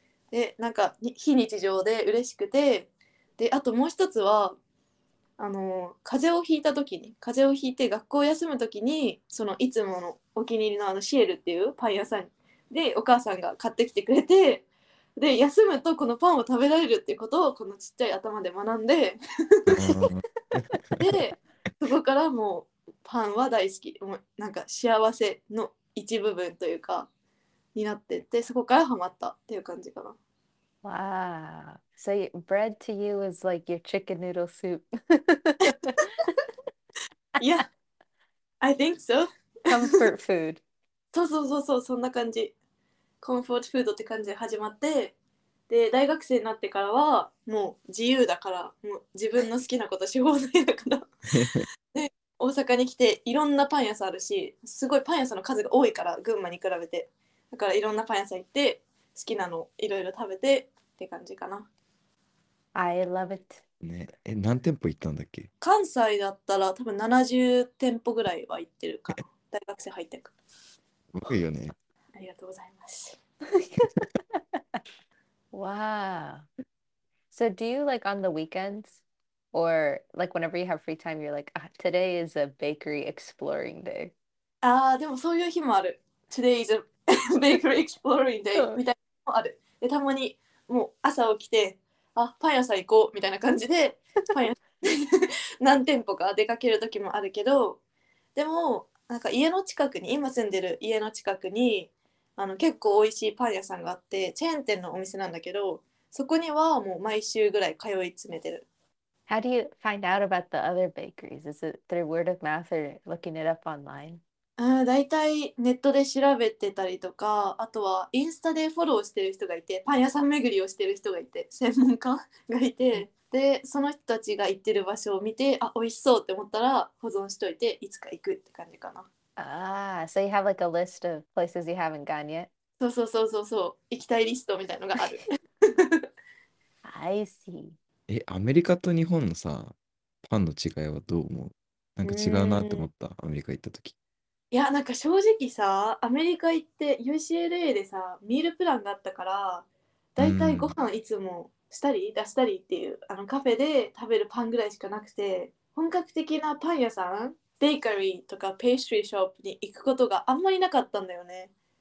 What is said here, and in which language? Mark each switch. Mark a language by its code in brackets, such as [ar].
[ja] でなんか非日常で嬉しくて、であともう一つは、風邪をひいた時に、風邪をひいて学校を休む時に、そのいつものお気に入りのあのシエルっていうパン屋さんでお母さんが買ってきてくれて、で休むとこのパンを食べられるっていうことをこのちっちゃい頭で学んで、でそこからもうパンは大好き、もうなんか幸せの一部分というかになってって、そこからハマったっていう感じかな。 [en] Wow. So bread to you is like your chicken noodle soup. Yeah, I think so. Comfort food. [ja] そうそうそうそう、そんな感じ。コンフォートフードって感じで始まって、で大学生になってからはもう自由だから、もう自分の好きなことし放題だから。で大阪に来ていろんなパン屋さんあるし、すごいパン屋さんの数が多いから群馬に比べて、だからいろんなパン屋さん行って。好きなのいろいろ食べてって感じかな。 [en] I love it、 [ja] ね、え、何店舗行ったんだっけ。関西だったら多分70店舗ぐらいは行ってるか。大学生入ってくる。すごいよね。ありがとうございます。 [en] Wow. So do you like on the weekends or like whenever you have free time you're like、ah, today is a bakery exploring day? [ja] あー、でもそういう日もある。 [en] Today is a bakery exploring day [ja] みたいな。あるで、たまにもう朝起きて、あパン屋さん行こうみたいな感じでパン屋何店舗か出かける時もあるけど、でもなんか家の近くに、今住んでる家の近くにあの結構美味しいパン屋さんがあって、チェーン店のお店なんだけど、そこにはもう毎週ぐらい通い詰めてる。 [en] How do you find out about the other bakeries? Is it through word of mouth or looking it up online? [ja] だいたいネットで調べてたりとか、あとはインスタでフォローしてる人がいて、パン屋さん巡りをしてる人がいて、専門家がいて、でその人たちが行ってる場所を見て、あ美味しそうって思ったら保存しといて、いつか行くって感じかな。 [en] ああ、so you have like a list of places you haven't gone yet? [ja] そうそうそうそうそう、行きたいリストみたいのがある。 [en] I see. [ja] え、アメリカと日本のさ、パンの違いはどう思う？なんか違うなって思った、アメリカ行った時。いや、なんか正直さ、アメリカ行って UCLA でさ、ミールプランがあったから、だいたいご飯いつもしたり出したりっていう、あのカフェで食べるパンぐらいしかなくて、本格的なパン屋さん、ベーカリーとかペーストリーショップに行くことがあんまりなかったんだよね。